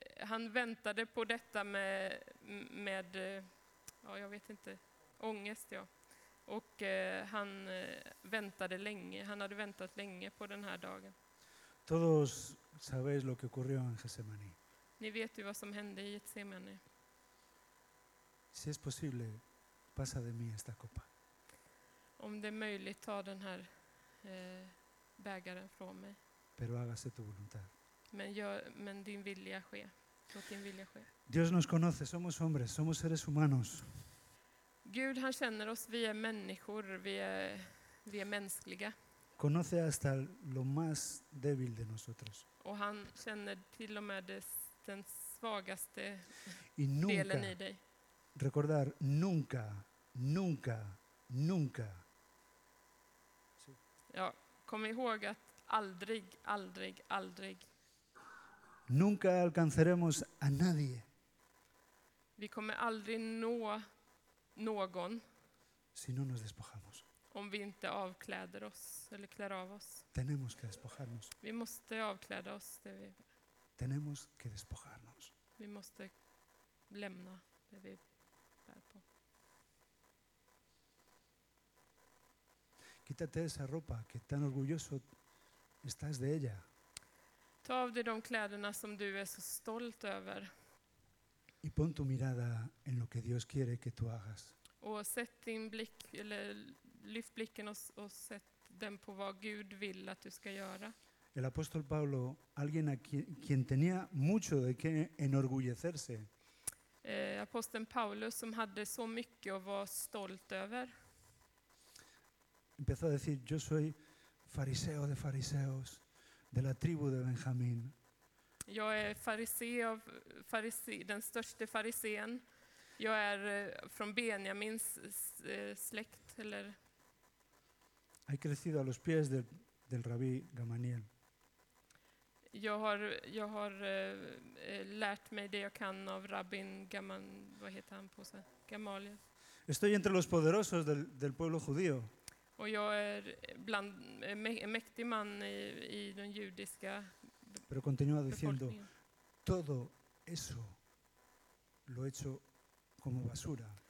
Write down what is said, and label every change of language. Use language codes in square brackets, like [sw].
[sv] Han väntade på detta med ja, jag vet inte, ångest, ja. Och han väntade länge. Han hade väntat länge på den här dagen. [es] Todos sabéis lo que ocurrió en Getsemaní. [sv] Ni vet ju vad som hände i Getsemaní. [es] Si es posible, pasa de mí esta copa. [sv] Om det är möjligt, ta den här bägaren från mig. [es] Pero hágase tu voluntad. [sv] Men din vilja ske. Låt din vilja ske. [es] Dios nos conoce, somos hombres, somos seres humanos. [sv] Gud, han känner oss, vi är människor, vi är mänskliga. [es] Conoce hasta lo más débil de nosotros. [sv] Och han känner till och med den svagaste delen i dig. [es] Recordar nunca, nunca, nunca. Sí. [sv] Ja, kom ihåg att aldrig, aldrig, aldrig. [es] Nunca alcanzaremos a nadie. [sv] Vi kommer aldrig nå någon. [es] Si no nos despojamos. [sv] Om vi inte avkläder oss eller klär av oss. [es] Tenemos que despojarnos. [sv] Vi måste avkläda oss, det vi. [es] Tenemos que despojarnos. [sv] Vi måste lämna det vi bär på. [es] Quítate esa ropa que tan orgulloso estás de ella. [sv] Ta av dig de kläderna som du är så stolt över. [es] Y pon tu mirada en lo que Dios quiere que tú hagas. [sv] Och sätt din blick, eller lyft blicken och sätt den på vad Gud vill att du ska göra. [es] El apóstol Pablo, alguien a quien tenía mucho de qué enorgullecerse. [sv] Aposteln Paulus, som hade så mycket att vara stolt över. [es] Empezó a decir, yo soy fariseo de fariseos, de la tribu de Benjamín. [sv] Jag är den största farisén. Jag är från Benjamins släkt, eller. [es] He crecido a los pies del rabí Gamaliel. [sv] Jag har lärt mig det jag kan av rabbin Gamaliel. [es] Estoy entre los poderosos del pueblo judío. [sv] Och jag är bland mäktig man i den judiska. [es] Pero continúa diciendo, todo eso lo he hecho como basura.